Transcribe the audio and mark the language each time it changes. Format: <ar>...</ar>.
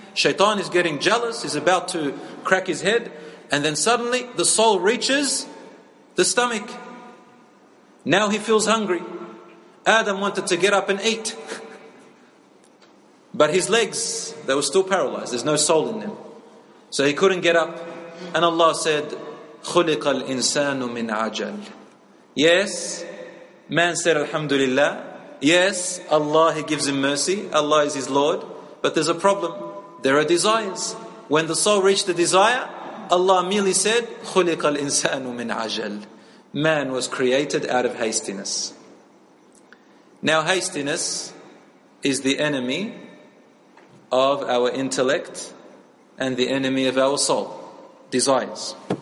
<en>Shaitan is getting jealous, he's about to crack his head, and then suddenly the soul reaches the stomach. Now he feels hungry. Adam wanted to get up and eat. But his legs, they were still paralyzed. There's no soul in them. So he couldn't get up. And Allah said,</en> <ar>خُلِقَ الْإِنسَانُ مِنْ عَجَلٍ.</ar> <en>Yes, man said Alhamdulillah. Yes, Allah, He gives him mercy. Allah is his Lord. But there's a problem. There are desires. When the soul reached the desire, Allah merely said,</en> <ar>خُلِقَ الْإِنسَانُ مِنْ عَجَلٍ.</ar> <en>Man was created out of hastiness. Now hastiness is the enemy of our intellect and the enemy of our soul, desires.</en>